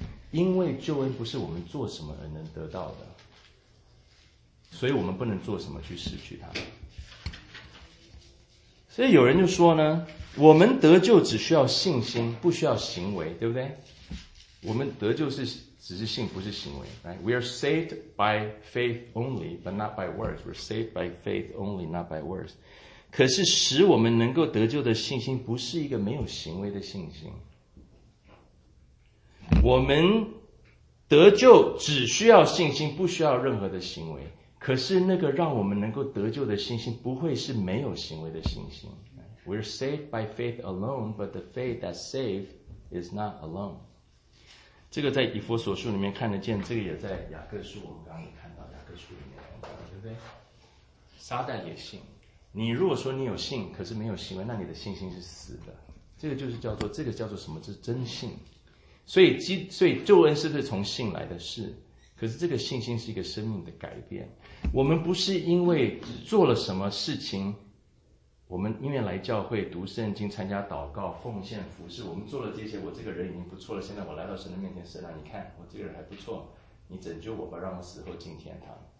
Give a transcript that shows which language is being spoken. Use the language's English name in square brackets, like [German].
[Chinese] 因为救恩不是我们做什么而能得到的，所以我们不能做什么去失去它。所以有人就说呢，我们得救只需要信心，不需要行为，对不对？我们得救是只是信，不是行为。 [English] Right? We are saved by faith only, but not by words. We're saved by faith only, not by words. [Chinese] 可是使我们能够得救的信心，不是一个没有行为的信心。我们得救只需要信心，不需要任何的行为。可是那个让我们能够得救的信心，不会是没有行为的信心。 [English] We're saved by faith alone, but the faith that saves is not alone. [Chinese] 这个在以弗所书里面看得见，这个也在雅各书，我们刚刚也看到雅各书里面，对不对？撒旦也信。你如果说你有信，可是没有行为，那你的信心是死的。这个就是叫做什么？是真信。所以救恩是不是从信来的？是。可是这个信心是一个生命的改变，我们不是因为做了什么事情，我们因为来教会读圣经参加祷告奉献服事，我们做了这些，我这个人已经不错了，现在我来到神的面前，神啊，你看我这个人还不错，你拯救我吧，让我死后进天堂。